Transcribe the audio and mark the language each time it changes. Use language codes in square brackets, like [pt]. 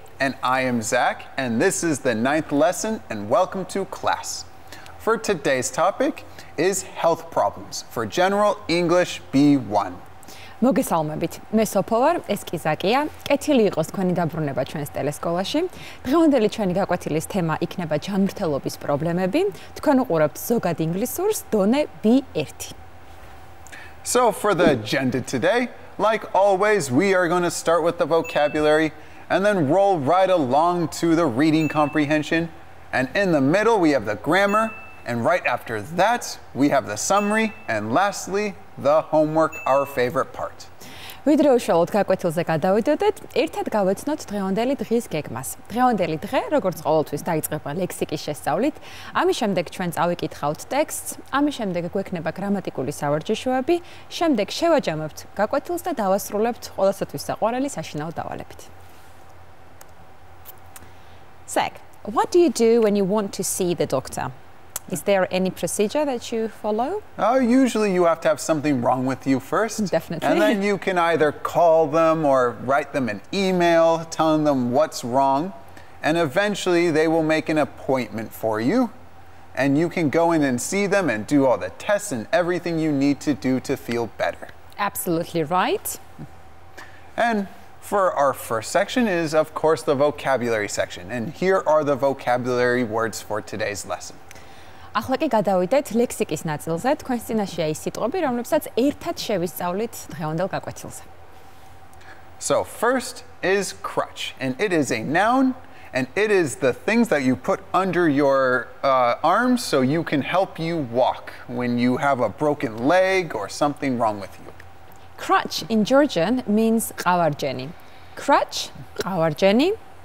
[en] And I am Zach, and this is the ninth lesson, and welcome to class. For today's topic is health problems for General English B1. [ka] მოგესალმებით. მე სოფოვარ, ეს კი ზაკია. კეთილი იყოს თქვენი დაბრუნება ჩვენს ტელესკოლაში. დღევანდელი ჩვენი გაკვეთილის თემა იქნება ჯანმრთელობის პრობლემები. თქვენ უყურებთ ზოგადი ინგლისურს, დონე B1. [en] So for the agenda today, like always, we are going to start with the vocabulary and then roll right along to the reading comprehension. And in the middle, we have the grammar. And right after that, we have the summary. And lastly, the homework, our favorite part. [ka] ვიდრე უშუალოდ გაკვეთილზე გადავიდოდეთ, ერთად გავეცნოთ დღევანდელი დღის გეგმას. დღევანდელი დღე, როგორც ყოველთვის დაიწყება ლექსიკის შესწავლით, ამის შემდეგ ჩვენ წავიკითხავთ ტექსტს, ამის შემდეგ გვექნება გრამატიკული სავარჯიშოები, შემდეგ შევაჯამებთ გაკვეთილს და დავასრულებთ ყველასათვის საყვარელი საშინაო დავალებით. [en] Zach, what do you do when you want to see the doctor? Is there any procedure that you follow? Usually you have to have something wrong with you first. Definitely. And then you can either call them or write them an email telling them what's wrong. And eventually they will make an appointment for you. And you can go in and see them and do all the tests and everything you need to do to feel better. Absolutely right. And for our first section is, of course, the vocabulary section. And here are the vocabulary words for today's lesson. [ka] ახლა კი გადავიდეთ ლექსიკის ნაწილზე, თქვენს წინაშეა ის სიტყვები, რომლებსაც ერთად შევისწავლით დღევანდელ გაკვეთილზე. [en] So first is crutch, and it is a noun, and it is the things that you put under your arms so you can help you walk when you have a broken leg or something wrong with you. Crutch in Georgian means ყავარჯენი. Crutch, ყავარჯენი.